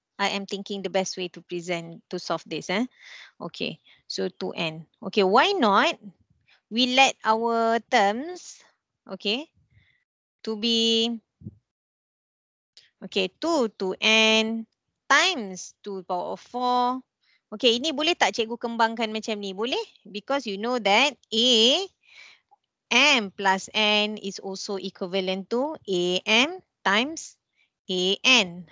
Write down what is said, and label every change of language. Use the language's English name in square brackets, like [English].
[English] I am thinking the best way to present to solve this. Eh? Okay, so 2n. Okay, why not we let our terms, okay, to be, okay, 2 to n times 2 power of 4. [Malay] Okay, ini boleh tak cikgu kembangkan macam ni? Boleh? [English] Because you know that a m plus n is also equivalent to a m times a n.